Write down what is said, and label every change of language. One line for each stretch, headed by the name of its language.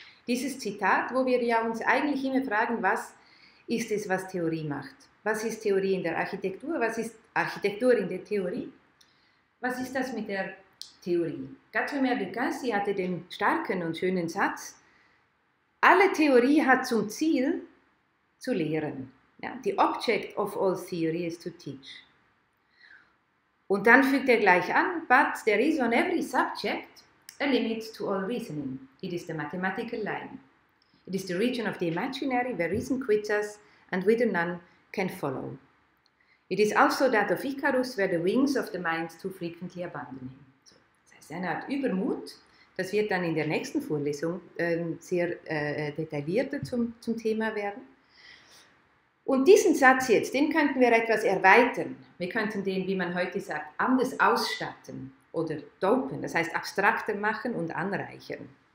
German: dieses Zitat, wo wir ja uns eigentlich immer fragen, was ist es, was Theorie macht? Was ist Theorie in der Architektur? Was ist Architektur in der Theorie? Was ist das mit der Theorie? Gadamer de Gassi hatte den starken und schönen Satz, alle Theorie hat zum Ziel, zu lehren.
English: Ja, the object of all theory is to teach.
German: Und dann fügt er gleich an,
English: but there is on every subject a limit to all reasoning. It is the mathematical line. It is the region of the imaginary where reason quits us and whither none can follow. It is also that of Icarus where the wings of the mind too frequently abandon him.
German: So, das heißt, eine Art Übermut, das wird dann in der nächsten Vorlesung sehr detaillierter zum Thema werden. Und diesen Satz jetzt, den könnten wir etwas erweitern. Wir könnten den, wie man heute sagt, anders ausstatten oder dopen, das heißt abstrakter machen und anreichern.